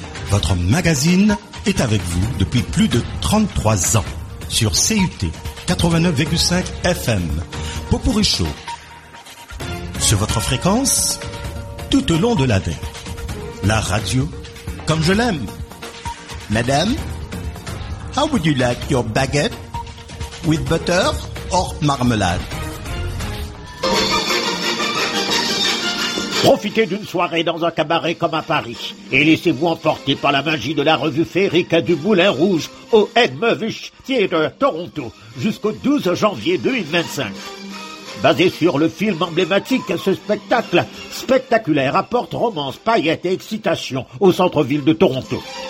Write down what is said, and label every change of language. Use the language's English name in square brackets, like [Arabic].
[French] Votre magazine est avec vous depuis plus de 33 ans. Sur CUT 89,5 FM, Popourri Show, sur votre fréquence, tout au long de l'année, la radio, comme je l'aime. [English] Madame, how would you like your baguette, with butter or marmalade? [French] Profitez d'une soirée dans un cabaret comme à Paris et laissez-vous emporter par la magie de la revue féerique du Moulin Rouge au Edmovich Theatre Toronto jusqu'au 12 janvier 2025. Basé sur le film emblématique, ce spectacle spectaculaire apporte romance, paillettes et excitation au centre-ville de Toronto.